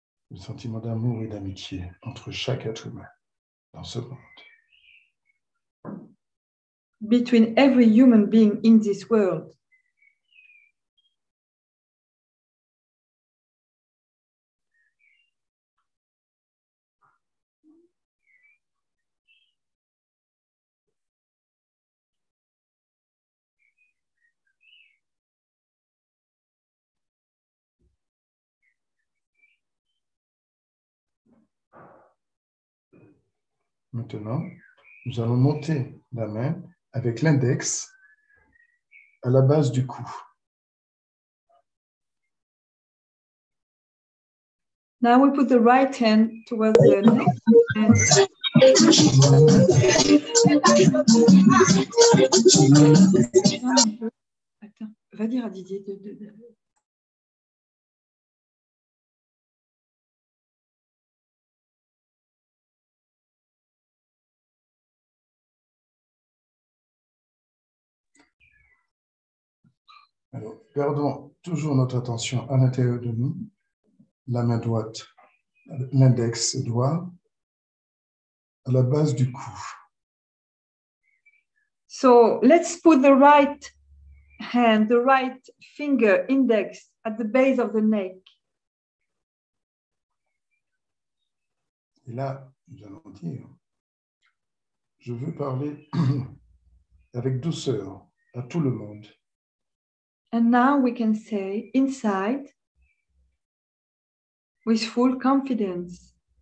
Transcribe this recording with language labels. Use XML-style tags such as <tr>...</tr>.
<fr>Le sentiment d'amour et d'amitié entre chaque être humain dans ce monde.</fr> <en>Between every human being in this world.</en> <fr>Maintenant, nous allons monter la main avec l'index à la base du cou.</fr> <en>Now we put the right hand towards the left hand.</en> <fr>Attends, va dire à Didier de... Alors, gardons toujours notre attention à l'intérieur de nous, la main droite, l'index droit, à la base du cou.</fr> <en>So, let's put the right hand, the right finger index at the base of the neck.</en> <fr>Et là, nous allons dire, je veux parler avec douceur à tout le monde.</fr> <en>And now we can say inside with full confidence.</en>